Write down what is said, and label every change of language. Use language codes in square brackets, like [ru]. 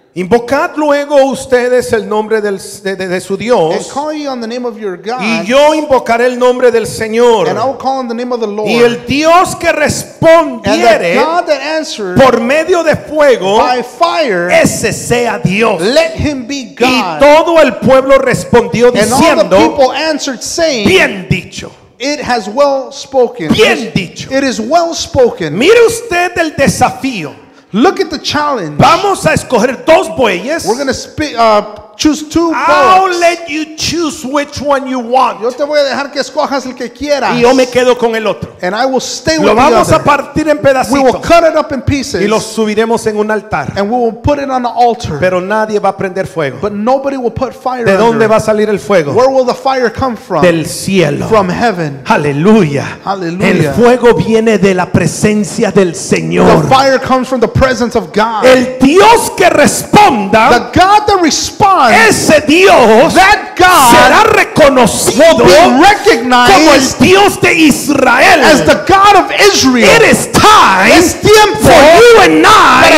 [es] Invocad luego ustedes el nombre de su Dios. [en] And call ye on the name of your God. [es] Y yo invocaré el nombre del Señor. [en] And I will call on the name of the Lord. [es] Y el Dios que respondiere, [en] and the God that answered, [es] por medio de fuego, [en] by fire, [es] ese sea Dios. [en] Let him be God. [es] Y todo el pueblo respondió diciendo, [en] and all the people answered saying, [es] bien dicho. [en] It has well spoken. [es] Bien dicho. [en] It is well spoken. [es] Mire usted el desafío. [en] Look at the challenge. [es] Vamos a escoger dos bueyes. [en] We're going to choose two bulls. I'll let you choose which one you want. [es] Yo te voy a dejar que escojas el que quieras. Y yo me quedo con el otro. [en] And I will stay [es] lo [en] with the other. [es] Lo vamos a partir en pedacitos. [en] We will cut it up in pieces. [es] Y lo subiremos en un altar. [en] And we will put it on the altar. [es] Pero nadie va a prender fuego. [en] But nobody will put fire. [es] ¿De dónde va a salir el fuego? [en] Where will the fire come from? [es] Del cielo. [en] From heaven. [es] Aleluya. [en] Hallelujah. [es] El fuego viene de la presencia del Señor. [en] The fire comes from the presence of God. [es] El Dios que responda, [en] the God that responds, [es] ese Dios, [en] that God, [es] será reconocido, [en] will be recognized, [es] como el Dios de Israel, [en] as the God of Israel. It is time, [es] es tiempo, [en] for you and I,